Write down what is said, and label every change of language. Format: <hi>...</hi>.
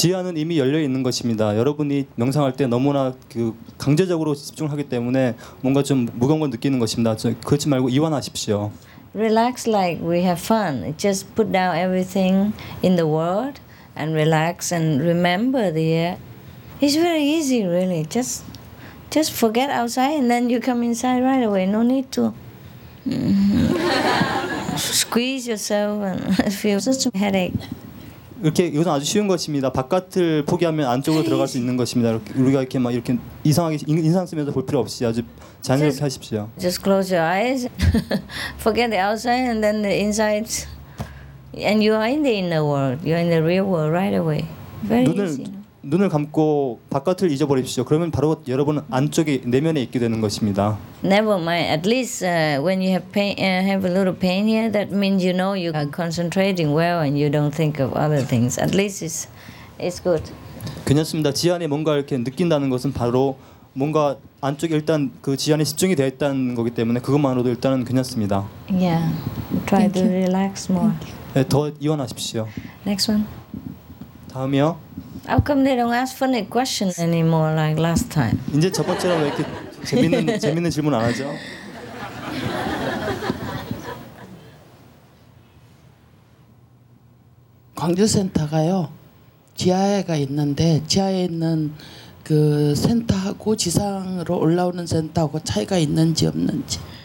<ko>지혜는 이미 열려 있는 것입니다. 여러분이 명상할 때 너무나 그 강제적으로 집중하기 때문에 뭔가 좀 무거운 걸 느끼는 것입니다. 그렇지 말고 이완하십시오.</ko> <en>Relax like we have fun. Just put down everything in the world and relax and remember the air. It's very easy, really. Just forget outside and then you come inside right away. No need to squeeze yourself and feel such a headache.</en> <ko>이렇게 이것은 아주 쉬운 것입니다. 바깥을 포기하면 안쪽으로 들어갈 수 있는 것입니다. 우리가 이렇게 막 이렇게 이상하게 인상 쓰면서 볼 필요 없이 아주 자연스럽게</ko> <en>just,</en> <ko>하십시오.</ko> <en>Just close your eyes, forget the outside and then the inside, and you are in the inner world. You are in the real world right away. Very</en> <ko>눈을</ko> <en>easy.</en> <ko>눈을 감고 바깥을 잊어버리십시오. 그러면 바로 여러분 안쪽에 내면에 있게 되는 것입니다.</ko> <en>Never mind. At least when you have pain, have a little pain here, that means you know you are concentrating well and you don't think of other things. At least it's good.</en> <ko>괜찮습니다. 지 안에 뭔가 이렇게 느낀다는 것은 바로 뭔가 안쪽에 일단 그 지 안에 집중이 되어 있다는 거기 때문에 그것만으로도 일단은 괜찮습니다.</ko> <en>Yeah. Try to relax more.</en> <ko>네, 더 이완하십시오.</ko> <en>Next one.</en> <ko>다음이요.</ko> <en>How come they don't ask funny questions anymore like last time?</en> <ko>이제 첫 번째로 왜 이렇게 재밌는 질문 안 하죠? (웃음) 광주센터가요. 지하에가 있는데 지하에 있는 그 센터하고 지상으로 올라오는 센터하고 차이가 있는지 없는지.</ko>